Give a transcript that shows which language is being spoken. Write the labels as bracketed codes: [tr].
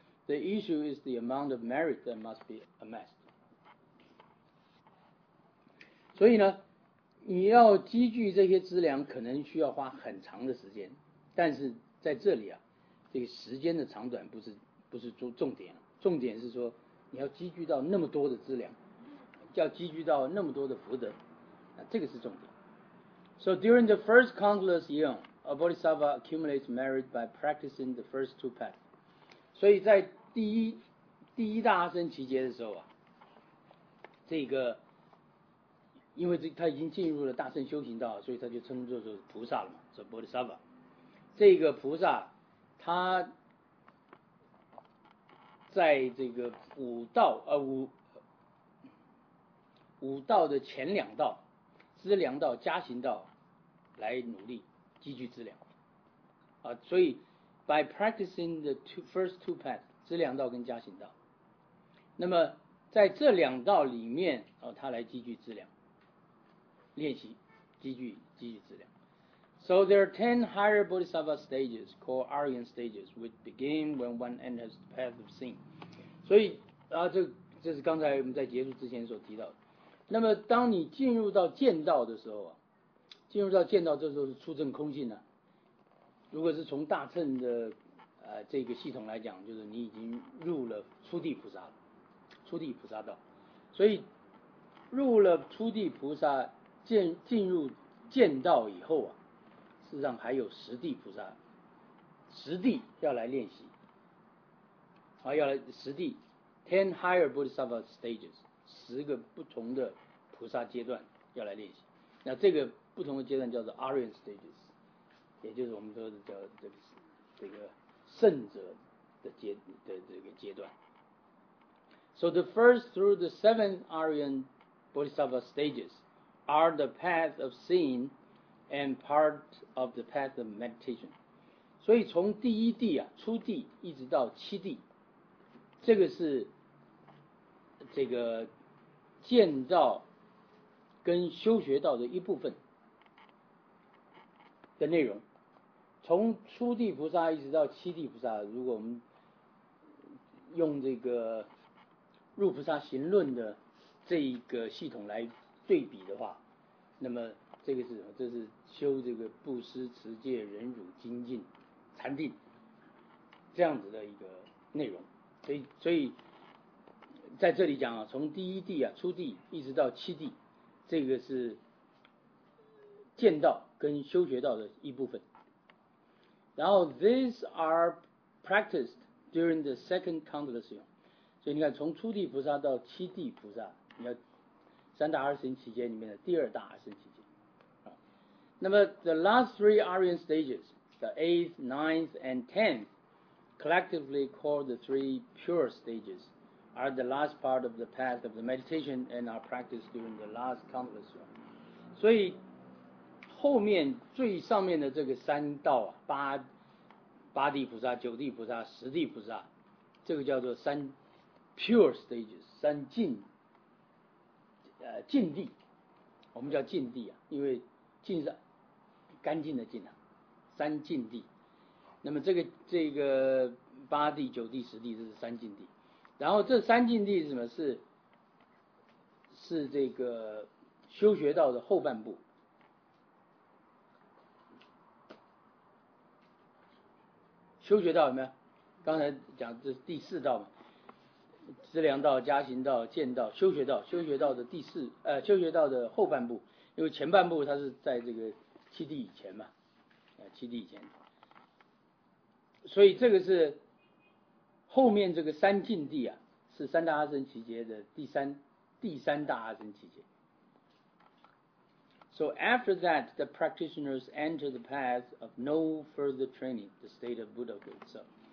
[en] The issue is the amount of merit that must be amassed. [zh] 所以呢，你要积聚这些资粮，可能需要花很长的时间，但是在这里啊，这个时间的长短不是重点，重点是说你要积聚到那么多的资粮，要积聚到那么多的福德，这个是重点。 [en] So during the first countless eon, a bodhisattva accumulates merit by practicing the first two paths. [zh] 所以在第一大阿僧祇劫的时候啊，这个因为他已经进入了大乘修行道，所以他就称作是菩萨了嘛，是 bodhisattva。这个菩萨他在这个五道的前两道资粮道加行道来努力积聚资粮啊，所以 [en] by practicing the first two paths [zh] 资粮道跟加行道，那么在这两道里面他来积聚资粮，练习积聚资粮。 [en] So there are 10 higher bodhisattva stages called Aryan stages, which begin when one enters the path of sin. [zh] 所以这是刚才我们在结束之前所提到的。那么当你进入到见道的时候，进入到见道这时候是出证空性了。如果是从大乘的这个系统来讲，就是你已经入了初地菩萨了，初地菩萨道。所以入了初地菩萨进入见道以后啊，事实上还有十地菩萨，十地要来练习，要来十地 ， [en] ten higher bodhisattva stages， [zh] 十个不同的菩萨阶段要来练习。那这个不同的阶段叫做 Aryan stages， 也就是我们说的叫这个圣者的这个阶段。 [en] So the first through the seven Aryan bodhisattva stages are the path of seeing。 And part of the path of meditation. [zh] 所以从第一地啊，初地一直到七地，这个是这个见道跟修学道的一部分的内容。从初地菩萨一直到七地菩萨，如果我们用这个入菩萨行论的这一个系统来对比的话，那么这个是什么？这是修这个布施、持戒、忍辱、精进、禅定这样子的一个内容。所以在这里讲啊，从第一地啊、初地一直到七地，这个是见道跟修学道的一部分。然后 [en] these are practiced during the second countless eon。 [zh] 所以你看，从初地菩萨到七地菩萨，你要三大二乘期间里面的第二大二乘期间。那么 [en] the last three Aryan stages, the eighth, ninth, and tenth, collectively called the three pure stages, are the last part of the path of the meditation and are practiced during the last countless eon。 [zh] 所以后面最上面的这个三道啊，八地菩萨、九地菩萨、十地菩萨，这个叫做三 [en] pure stages， [zh] 三净地，我们叫净地啊，因为净是干净的净啊，三净地。那么这个八地、九地、十地，这是三净地。然后这三净地是什么？是这个修学道的后半部。修学道有没有？刚才讲这是第四道嘛，资粮道、加行道、见道、修学道，修学道的第四，修学道的后半部，因为前半部它是在这个七地以前嘛，七地以前，所以这个是后面这个三净地啊，是三大阿僧祇劫的第三大阿僧祇劫。 [en] So after that, the practitioners enter the path of no further training, the state of Buddhahood itself.